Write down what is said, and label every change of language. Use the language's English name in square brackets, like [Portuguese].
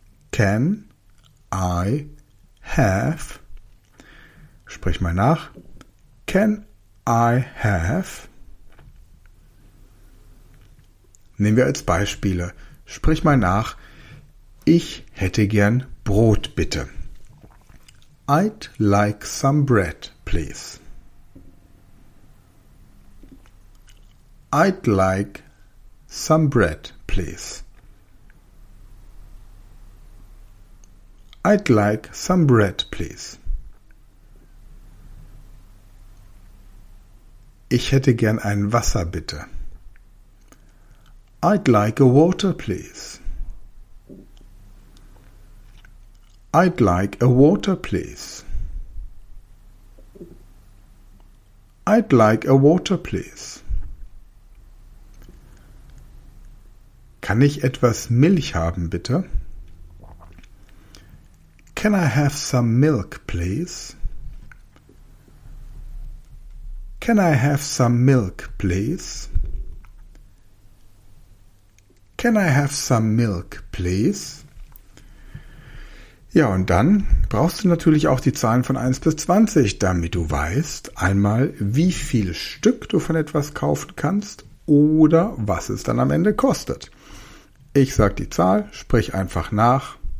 [English] Can I have? [German] Sprich mal nach. [English] Can I have? [German] Nehmen wir als Beispiele. Sprich mal nach. Ich hätte gern Brot, bitte. [English] I'd like some bread, please. I'd like some bread, please. I'd like some bread, please. [German] Ich hätte gern ein Wasser, bitte. [English] I'd like a water, please. I'd like a water, please. I'd like a water, please. [German] Kann ich etwas Milch haben, bitte? [English] Can I have some milk, please? Can I have some milk, please? Can I have some milk, please? [German] Ja, und dann brauchst du natürlich auch die Zahlen von 1 bis 20, damit du weißt, einmal wie viel Stück du von etwas kaufen kannst oder was es dann am Ende kostet. Ich sag die Zahl, sprich einfach nach.